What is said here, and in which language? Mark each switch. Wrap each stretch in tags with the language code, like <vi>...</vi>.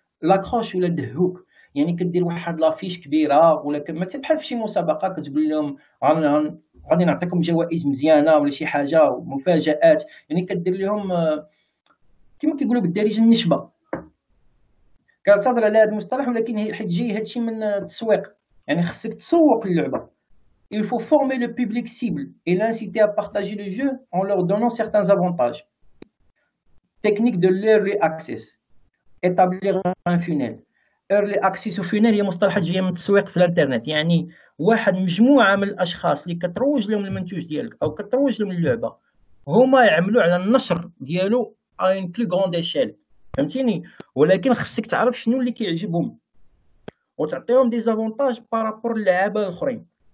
<ar>لاكروش ولا ذا هوك، يعني كدير واحد لافيش كبيره ولا مثلا بحال في شي مسابقه كتقول لهم غادي نعطيكم جوائز مزيانه ولا شي حاجه ومفاجآت، يعني كدير لهم كما كيقولوا بالدارجه النشبه، كنعتذر على هذا المصطلح ولكن حيت جاي هادشي من التسويق، يعني خصك تسوق اللعبه.</ar> <fr>il faut former le public cible et l'inciter à partager le jeu en leur donnant certains avantages. technique de l'early access، établir un funnel.</fr> <ar>early access و funnel هي مصطلح جاي من التسويق في الانترنت، يعني واحد مجموعه من الاشخاص اللي كتروج لهم المنتوج ديالك او كتروج لهم اللعبه هما يعملوا على النشر ديالو</ar> <fr>اون بلو غوند ايشيل،</fr> <ar>فهمتيني؟ ولكن خصك تعرف شنو اللي كيعجبهم وتعطيهم</ar> <fr>دي زافونتاج بارابور</fr> <ar>للعابه الاخرين.</ar>